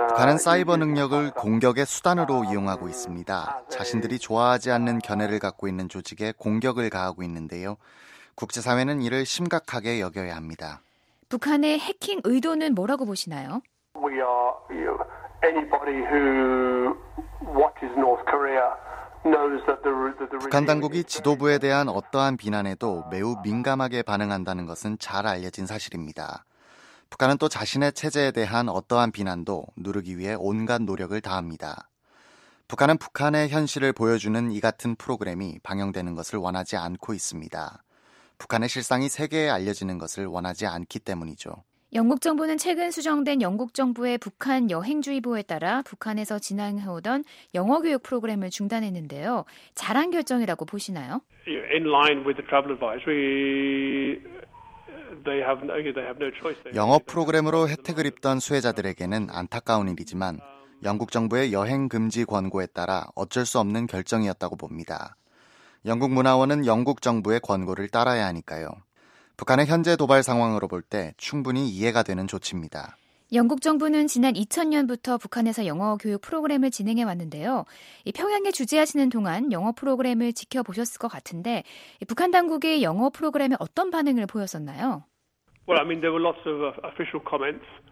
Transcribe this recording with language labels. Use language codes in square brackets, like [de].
[ko] 북한은 사이버 능력을 공격의 수단으로 이용하고 있습니다. 자신들이 좋아하지 않는 견해를 갖고 있는 조직에 공격을 가하고 있는데요. 국제사회는 이를 심각하게 여겨야 합니다. 북한의 해킹 의도는 뭐라고 보시나요? [en] We are, you know, anybody who watches North Korea knows that the [ko] 북한 당국이 지도부에 대한 어떠한 비난에도 매우 민감하게 반응한다는 것은 잘 알려진 사실입니다. 북한은 또 자신의 체제에 대한 어떠한 비난도 누르기 위해 온갖 노력을 다합니다. 북한은 북한의 현실을 보여주는 이 같은 프로그램이 방영되는 것을 원하지 않고 있습니다. 북한의 실상이 세계에 알려지는 것을 원하지 않기 때문이죠. 영국 정부는 최근 수정된 영국 정부의 북한 여행주의보에 따라 북한에서 진행해오던 영어 교육 프로그램을 중단했는데요. 잘한 결정이라고 보시나요? [en] In line with the travel advisory, they have no choice. [ko] 영어 프로그램으로 혜택을 입던 수혜자들에게는 안타까운 일이지만 영국 정부의 여행 금지 권고에 따라 어쩔 수 없는 결정이었다고 봅니다. 영국 문화원은 영국 정부의 권고를 따라야 하니까요. 북한의 현재 도발 상황으로 볼 때 충분히 이해가 되는 조치입니다. 영국 정부는 지난 2000년부터 북한에서 영어 교육 프로그램을 진행해 왔는데요. 평양에 주재하시는 동안 영어 프로그램을 지켜보셨을 것 같은데 북한 당국의 영어 프로그램에 어떤 반응을 보였었나요? [en] Well, I mean, there were lots of official comments.